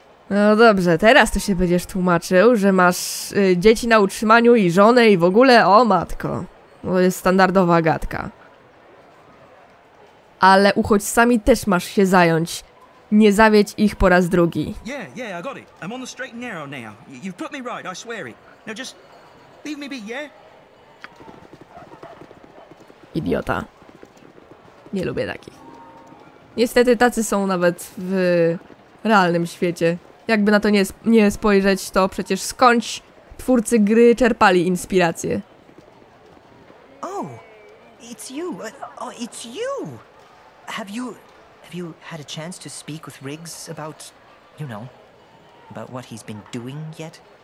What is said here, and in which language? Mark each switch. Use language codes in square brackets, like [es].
[pl] No dobrze, teraz to się będziesz tłumaczył, że masz dzieci na utrzymaniu i żonę i w ogóle, o matko. To jest standardowa gadka. Ale uchodźcami też masz się zająć. Nie zawiedź ich po raz drugi. [en] Yeah, yeah, I got it. I'm on the straight and narrow now. You've put me right, I swear it. Now just leave me be, yeah? [pl] Idiota. Nie lubię takich. Niestety tacy są nawet w realnym świecie. Jakby na to nie spojrzeć, to przecież skądś twórcy gry czerpali inspirację. [en] Oh, it's you. Oh, it's you. Have you had a chance to speak with Riggs about, you know, about what he's been doing yet?